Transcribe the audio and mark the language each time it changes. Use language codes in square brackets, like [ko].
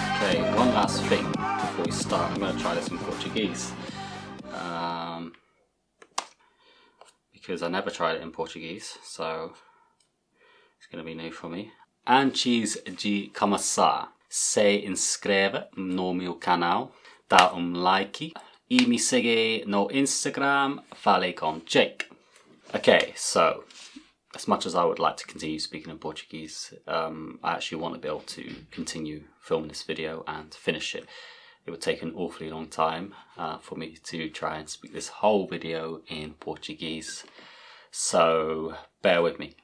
[en] Thing before we start, I'm going to try this in Portuguese because I never tried it in Portuguese, so it's going to be new for me. [pt] Antes de começar, se inscreve no meu canal, dá like e me segue no Instagram, fale com Jake. [en] Okay, so as much as I would like to continue speaking in Portuguese, I actually want to be able to continue filming this video and finish it. It would take an awfully long time for me to try and speak this whole video in Portuguese, so bear with me.